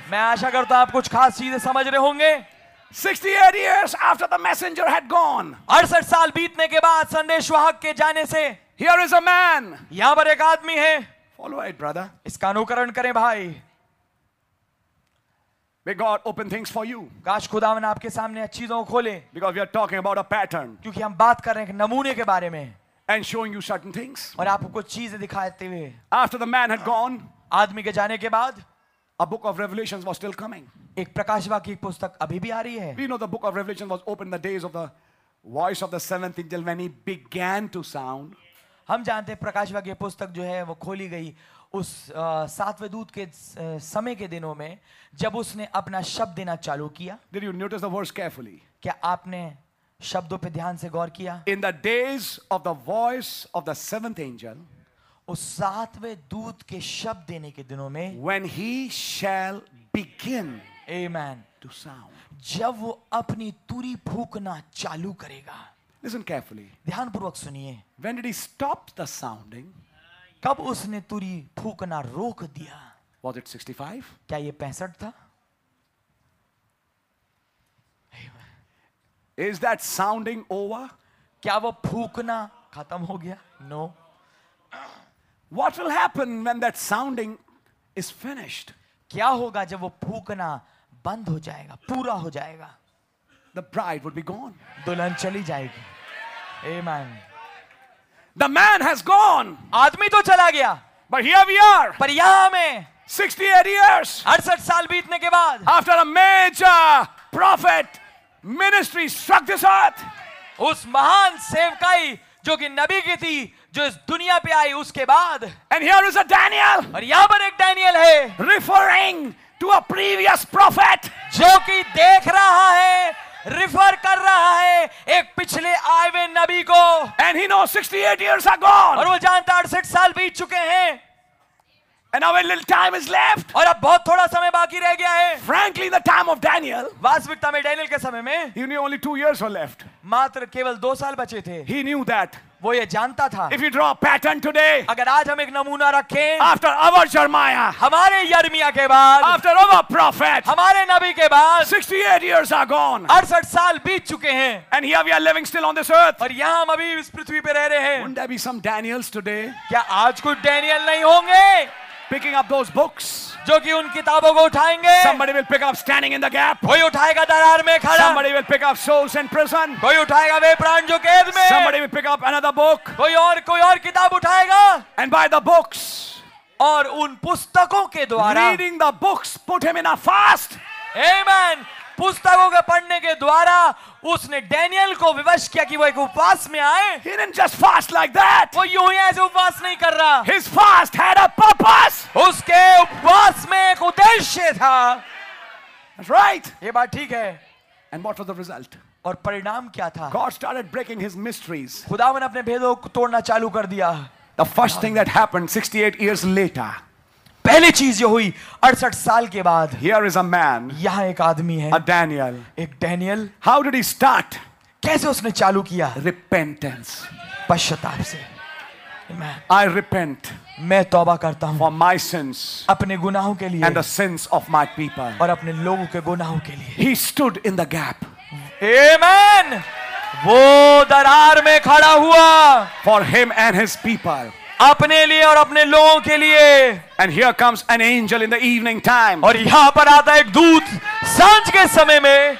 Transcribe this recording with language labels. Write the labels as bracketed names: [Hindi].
[Hindi] मैं आशा करता हूँ आप कुछ खास चीजें समझ रहे होंगे. [English] 68 years after the messenger had gone. [Hindi] 68 साल बीतने के बाद संदेशवाहक के जाने से. [English] Here is a man. [Hindi] यहाँ पर एक आदमी है. [English] Follow it, brother. [Hindi] इसका अनुकरण करें भाई. [English] May God open things for you. [Hindi] काश खुदावन आपके सामने चीजों को खोले. [English] Because we are talking about a pattern. [Hindi] क्योंकि हम बात कर रहे हैं नमूने के बारे में. [English] And showing you certain things. [Hindi] और आपको कुछ चीजें दिखाते हुए. [English] After the man had gone. [Hindi] आदमी के जाने के बाद. [English] A book of Revelations was still coming. [Hindi] एक प्रकाशवाक्य की पुस्तक अभी भी आ रही है. [English] We know the book of Revelation was opened the days of the voice of the seventh angel when he began to sound. [Hindi] हम जानते हैं प्रकाशवाक्य पुस्तक जो है वो खोली गई उस सातवें दूत के समय के दिनों में जब उसने अपना शब्द देना चालू किया. [English] Did you notice the words carefully? [Hindi] क्या आपने शब्दों पे ध्यान से गौर किया? [English] In the days of the voice of the seventh angel, [Hindi] उस सातवें दूत के शब्द देने के दिनों में. [English] When he shall begin, amen, to sound, [Hindi] जब वो अपनी तुरी फूकना चालू करेगा. [English] Listen carefully. [Hindi] ध्यान पूर्वक सुनिए. [English] When did he stop the sounding? [Hindi] कब उसने तुरी फूकना रोक दिया? [English] Was it 65? [Hindi] क्या ये 65 था? [English] Is that sounding over? [Hindi] क्या वो फूकना खत्म हो गया? [English] No. What will happen when that sounding is finished? [Hindi] क्या होगा जब वो फूकना बंद हो जाएगा, पूरा हो जाएगा? [English] The bride would be gone. [Hindi] दुल्हन चली जाएगी. Amen. [English] The man has gone. [Hindi] आदमी तो चला गया. [English] But here we are. [Hindi] पर यहाँ हमें. [English] 68 years. [Hindi] 68 साल बीतने के बाद. [English] After a major prophet ministry struck this earth. [Hindi] उस महान सेवकाई जो कि नबी की थी जो इस दुनिया पे आई उसके बाद. [English] And here is a Daniel. [Hindi] और यहाँ पर एक डैनियल है. [English] Referring to a previous prophet. [Hindi] जो कि देख रहा है रिफर कर रहा है एक पिछले आए हुए नबी को [English] and he know 68 years are gone [Hindi] और वो जानता है 68 साल बीत चुके हैं [English] And now a little time is left. [Hindi] और अब बहुत थोड़ा समय बाकी रह गया है. [English] Frankly, in the time of Daniel, [Hindi] वास्तविकता में डैनियल के समय में, [English] he knew only 2 years were left. [Hindi] मात्र केवल 2 साल बचे थे. [English] He knew that. [Hindi] वो ये जानता था. [English] If you draw a pattern today, [Hindi] अगर आज हम एक नमूना रखें, [English] after our Jeremiah, [Hindi] हमारे यर्मिया के बाद, [English] after our prophet, [Hindi] हमारे नबी के बाद, [English] 68 years are gone. [Hindi] 68 साल बीत चुके हैं. [English] And here we are living still on this earth. [Hindi] और यहाँ हम अभी इस पृथ्वी पे रह रहे हैं. [English] Wouldn't there be some Daniels today? [Hindi] क्या आज कुछ डैनियल नहीं होंगे? [English] Picking up those books, [Hindi] जो कि उन किताबों को उठाएंगे. [English] Somebody will pick up standing in the gap. [Hindi] कोई उठाएगा दरार में खड़ा. [English] Somebody will pick up souls in prison. [Hindi] कोई उठाएगा वे प्राण जो कैद में. [English] Somebody will pick up another book. [Hindi] कोई और किताब उठाएगा. [English] And by the books, [Hindi] और उन पुस्तकों के द्वारा. [English] Reading the books put him in a fast. Amen. [Hindi] पुस्तकों के पढ़ने के द्वारा उसने डैनियल को विवश किया कि वो एक उपवास में आए. [English] He didn't just fast like that. [Hindi] वो यूं ही ऐसे उपवास नहीं कर रहा. [English] His fast had a purpose. [Hindi] उसके उपवास में एक उद्देश्य था. [English] That's right. [Hindi] ये बात ठीक है. [English] And what was the result? [Hindi] और परिणाम क्या था? [English] God started breaking his mysteries. [Hindi] खुदावन अपने भेदों को तोड़ना चालू कर दिया. [English] The first thing that happened 68 years later. [Hindi] पहली चीज जो हुई 68 साल के बाद [English] Here is a man, [Hindi] यहां एक आदमी है [English] a Daniel. [Hindi] एक Daniel [English] How did he start? [Hindi] कैसे उसने चालू किया [English] Repentance. [Hindi] पश्चाताप से [English] I repent. [Hindi] मैं तौबा करता हूं [English] For my sins. [Hindi] अपने गुनाहों के लिए [English] And the sins of my people. [Hindi] और अपने लोगों के गुनाहों के लिए [English] He stood in the gap. [Hindi] Amen. वो दरार में खड़ा हुआ [English] For him and his people. [Hindi] अपने लिए और अपने लोगों के लिए [English] And here comes an angel in the evening time. [Hindi] और यहाँ पर आता एक दूत सांझ के समय में.